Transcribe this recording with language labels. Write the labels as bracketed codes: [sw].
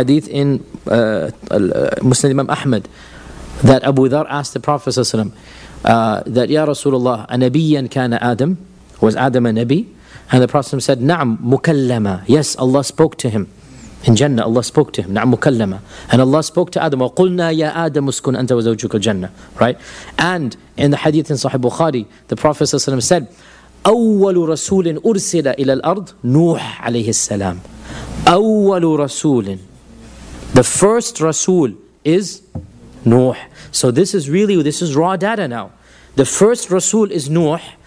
[en] Hadith in Muslim Imam Ahmad that Abu Dhar asked the Prophet that, [ar] Ya Rasulullah, a Nabiyan kana Adam? [en] Was Adam a Nabi? And the Prophet said, [ar] Na'am, mukallama. [en] Yes, Allah spoke to him. In Jannah, Allah spoke to him. [ar] نعم مكلمة. [en] And Allah spoke to Adam. [ar] وَقُلْنَا يَا آدَمُ اسْكُنْ أَنْتَ وَزَوْجُكَ الْجَنَّةِ [en] Right? And in the hadith in Sahih Bukhari, the Prophet ﷺ said, [ar] أَوَّلُ رَسُولٍ أُرْسِلَ إِلَى الْأَرْضِ نُوح عَلَيْهِ السَّلَامِ أَوَّلُ رَسُولٍ [en] The first Rasul is نوح. So this is raw data now. The first Rasul is نوح.